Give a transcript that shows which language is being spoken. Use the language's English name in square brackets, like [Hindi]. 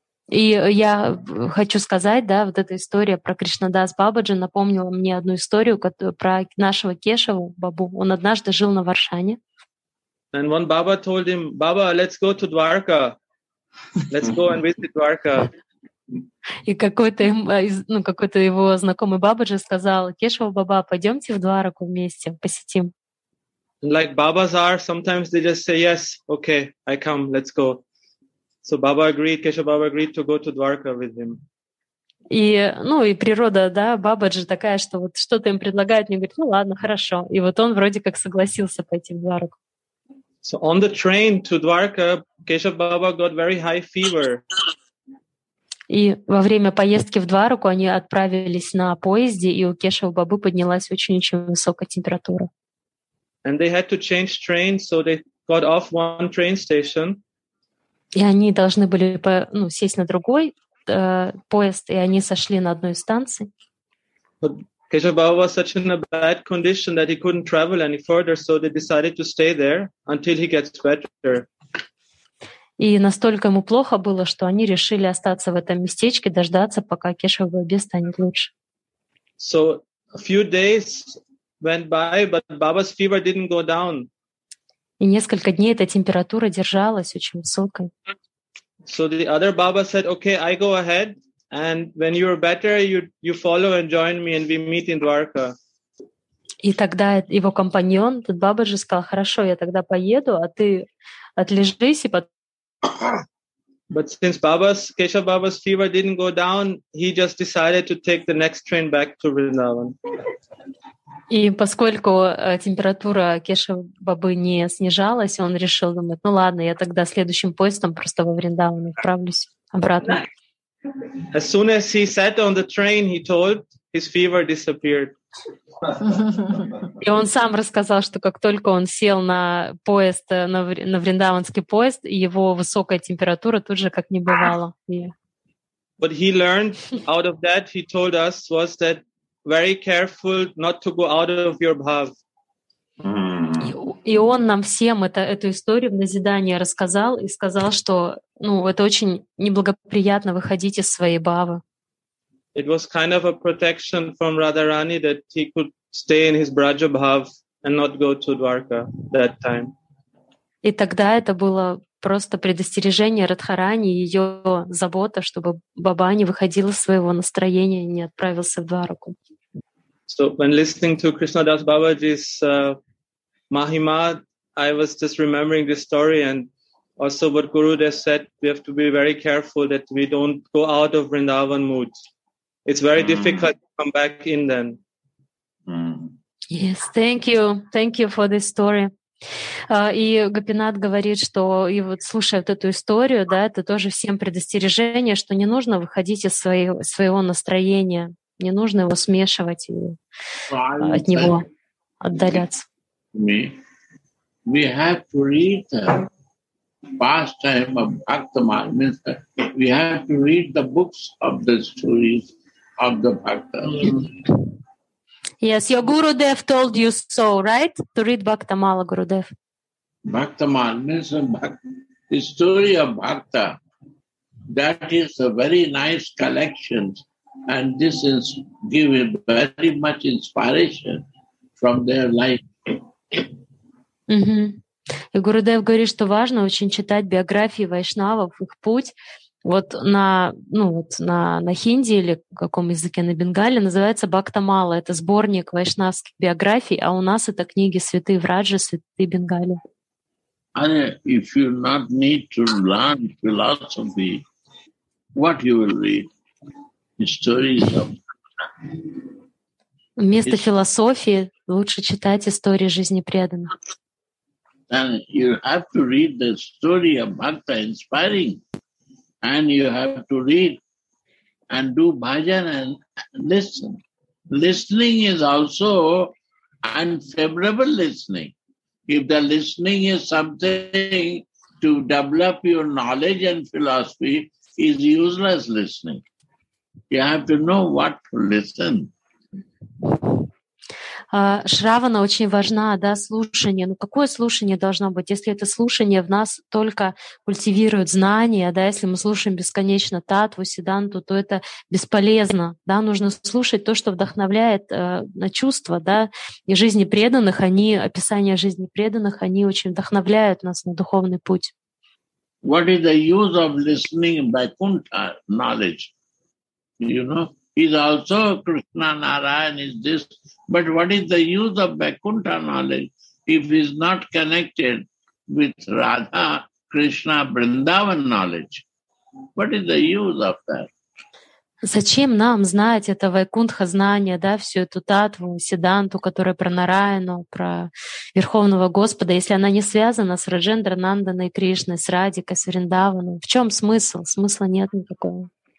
[Russian] И я хочу сказать, да, вот эта история про Кришнадас Бабаджи напомнила мне одну историю про нашего Кешава Бабу. Он однажды жил на Варшане. [English] And one Baba told him, Baba, let's go to Dwarka. Let's go and visit Dwarka. [Russian] И какой-то, ну, какой-то его знакомый Бабаджи сказал, Кешава Баба, пойдемте в Дварку вместе, посетим. [English] And like Babas are, sometimes they just say, yes, okay, I come, let's go. So Baba agreed, Keshava Baba agreed to go to Dwarka with him. [Russian] И, ну, и природа, да, Бабаджи такая, что вот что-то им предлагают, мне говорят, ну ладно, хорошо. И вот он вроде как согласился пойти в Дварку. [English] So on the train to Dwarka, Keshava Baba got very high fever. [Russian] И во время поездки в Дваруку они отправились на поезде, и у Кешава Бабы поднялась очень-очень высокая температура. [English] And they had to change trains, so they got off one train station. [Russian] И они должны были сесть на другой поезд, и они сошли на одной станции. [English] But Keshava Baba was such in a bad condition that he couldn't travel any further, so they decided to stay there until he gets better. [Russian] И настолько ему плохо было, что они решили остаться в этом местечке, дождаться, пока Кешава Бабе станет лучше. [English] So a few days went by, but Baba's fever didn't go down. [Russian] И несколько дней эта температура держалась очень высокой. [English] So the other Baba said, "Okay, I go ahead, and when you're better, you follow and join me, and we meet in Dwarka." [Russian] И тогда его компаньон, тот Баба же сказал, "Хорошо, я тогда поеду, а ты отлежись и потом." [English] But since Keshava Baba's fever didn't go down, he just decided to take the next train back to Vrindavan. [Russian] И поскольку температура Кешава Бабы не снижалась, он решил думать, ну ладно, я тогда следующим поездом просто во Вриндаван отправлюсь обратно. [English] As soon as he sat on the train, he told, his fever disappeared. [Russian] И он сам рассказал, что как только он сел на поезд, на Вриндаванский поезд, его высокая температура тут же как не бывало. [English] What he learned out of that, he told us, was that very careful not to go out of your bhav. [Russian] И он нам всем эту историю в назидание рассказал и сказал, что это очень неблагоприятно выходить из своей бхавы. [English] It was kind of a protection from Radharani that he could stay in his Braja bhav and not go to Dwarka that time. [Russian] И тогда это было просто предостережение Радхарани, ее забота, чтобы Баба не выходил из своего настроения и не отправился в Двараку. [English] So when listening to Krishnadas Babaji's Mahima, I was just remembering this story and also what Gurudev said, we have to be very careful that we don't go out of Vrindavan mood. It's very difficult to come back in then. Yes, thank you. Thank you for this story. [Russian] И Гопинат говорит, что и вот слушая вот эту историю, да, это тоже всем предостережение, что не нужно выходить из своего настроения, не нужно его смешивать и от него отдаляться. [English] We have to read the pastime of Bhaktamal. We have to read the books of the stories of the Bhaktamal. Yes, your Gurudev told you so, right? To read Bhaktamala, Gurudev. Bhaktamala means the story of Bhakta. That is a very nice collection. And this is giving very much inspiration from their life. Mm-hmm. [Russian] И Гурудев говорит, что важно очень читать биографии вайшнавов, их путь. Вот на хинди или каком языке, на бенгале, называется Бхактамала. Это сборник вайшнавских биографий, а у нас это книги святые Враджи, святые Бенгали. [English] And if you not need to learn philosophy, what you will read? Stories of... [Russian] Вместо философии лучше читать истории жизни преданных. [English] And you have to read the story of Bhakta inspiring. And you have to read and do bhajan and listen. Listening is also unfavorable listening. If the listening is something to develop your knowledge and philosophy, is useless listening. You have to know what to listen. [Russian] Шравана очень важна, да, слушание. Ну, какое слушание должно быть? Если это слушание в нас только культивирует знания, да, если мы слушаем бесконечно татву, сиданту, то это бесполезно, да, нужно слушать то, что вдохновляет на чувства, да, и жизни преданных, они, описание жизни преданных, они очень вдохновляют нас на духовный путь. [English] What is the use of listening by Kunta knowledge? You know, he's also Krishna Narayan, is this, but what is the use of Vaikuntha knowledge if he's not connected with Radha, Krishna, Vrindavan knowledge? What is the use of that? [Russian] Зачем нам знать это Вайкунтха знание, да, всю эту татву, сиданту, которая про Нараяну, про Верховного Господа, если она не связана с Раджендра Нанданой Кришной, с Радикой, с Вриндаваном? В чем смысл? Смысла нет никакого.